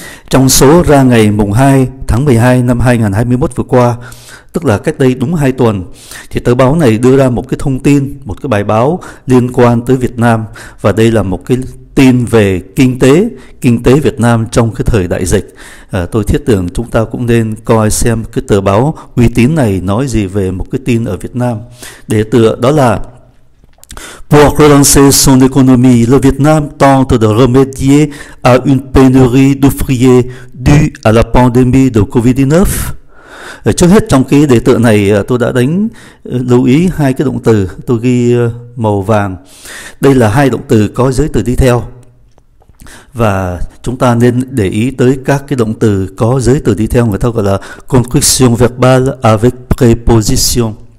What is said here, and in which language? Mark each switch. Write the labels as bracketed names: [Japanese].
[Vietnamese] Trong số ra ngày mùng 2 tháng 12 năm 2021 vừa qua, tức là cách đây đúng 2 tuần, thì tờ báo này đưa ra một cái thông tin, một cái bài báo liên quan tới Việt Nam. Và đây là một cái tin về kinh tế Việt Nam trong cái thời đại dịch. Tôi thiết tưởng chúng ta cũng nên coi xem cái tờ báo uy tín này nói gì về một cái tin ở Việt Nam. Để tựa đó là: [French] Pour relancer son économie, le Vietnam tente de remédier à une pénurie d'ouvriers due à la pandémie de COVID-19. [Vietnamese] Trước hết, trong cái đề tựa này tôi đã đánh lưu ý hai cái động từ, tôi ghi màu vàng. Đây là hai động từ có giới từ đi theo. Và chúng ta nên để ý tới các cái động từ có giới từ đi theo, người ta gọi là [French] construction verbale avec préposition.